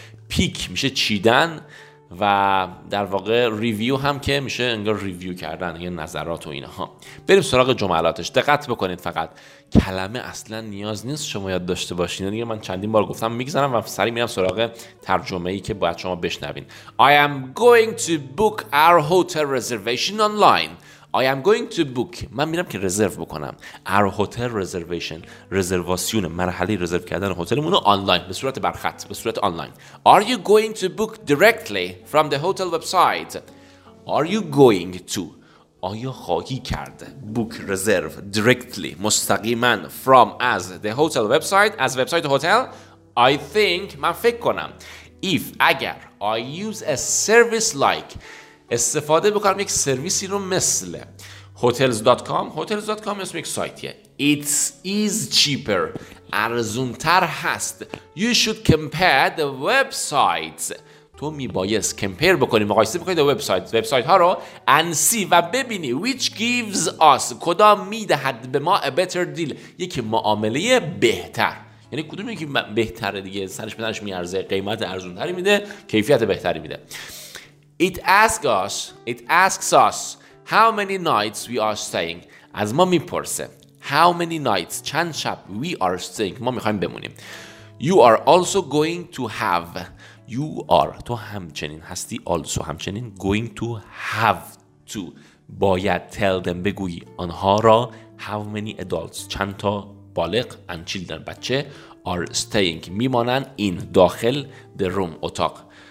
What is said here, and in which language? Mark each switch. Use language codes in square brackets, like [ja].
[fa] پیک میشه چیدن و در واقع ریویو هم که میشه انگار ریویو کردن یا نظرات و اینها. بریم سراغ جملاتش. دقت بکنید، فقط کلمه اصلا نیاز نیست شما یاد داشته باشین. دیگه من چندین بار گفتم میگذرم و سریع میرم سراغ ترجمه‌ای که باید شما بشنوین. [en] I am going to book our hotel reservation online. I am going to book. [fa] من میرم که رزرو بکنم. [en] Our hotel reservation، [fa] رزرواسیون، مرحله رزرو کردن هتلمون رو آنلاین، به صورت برخط، به صورت آنلاین. [en] Are you going to book directly from the hotel website? Are you going to؟ [fa] آیا خواهی کرد؟ [en] Book، رزرو، directly، [fa] مستقیما، [en] from، از the hotel website، [fa] از وبسایت هتل. [en] I think، [fa] من فکر کنم. [en] If، [fa] اگر. [en] I use a service like، [fa] استفاده بکنم یک سرویسی رو مثل hotels.com. hotels.com اسم یک سایتیه. [en] It is cheaper، [fa] ارزونتر هست. [en] You should compare the websites، [fa] تو میبایست compare بکنی، مقایسه بکنی the websites، website ها رو، [en] and see، [fa] و ببینی [en] which gives us، [fa] کدام میدهد به ما [en] a better deal، [fa] یک معامله بهتر. یعنی کدوم یکی بهتره دیگه، سرش به سرش میارزه، قیمت ارزونتری میده، کیفیت بهتری میده. [en] It asks us how many nights we are staying. [fa] از ما میپرسه [en] how many nights، [fa] چند شب، [en] we are staying، [fa] ما میخوایم بمونیم. [en] You are also going to have، [fa] you are، تو همچنین هستی، also همچنین، [en] going to have to، [fa] باید tell them، بگویی آنها را، [en] how many adults، [fa] چند تا بالغ، and children، بچه، [en] are staying، [fa] میمانن، in، داخل [en] the room، [fa] اتاق.